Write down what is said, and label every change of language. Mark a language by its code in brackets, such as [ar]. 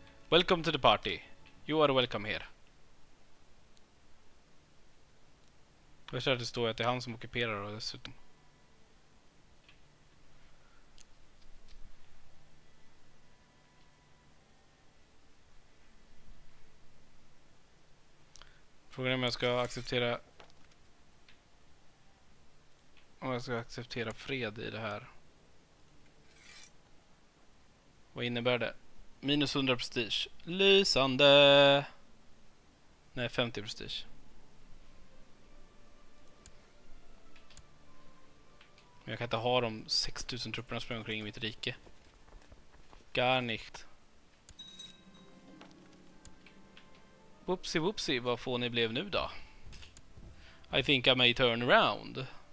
[en] Welcome to the party. You are welcome here. [sv] Jag tror att det står att det är han som ockuperar och dessutom. Frågan är om jag ska acceptera... Om jag ska acceptera fred i det här. Vad innebär det? Minus 100 prestige. Lysande! Nej, 50 prestige. Men jag kan inte ha de 6000 trupperna som springer omkring i mitt rike. [de] Gar nicht. [sv] Whoopsie whoopsie, vad får ni blev nu då? [en] I think I may turn around.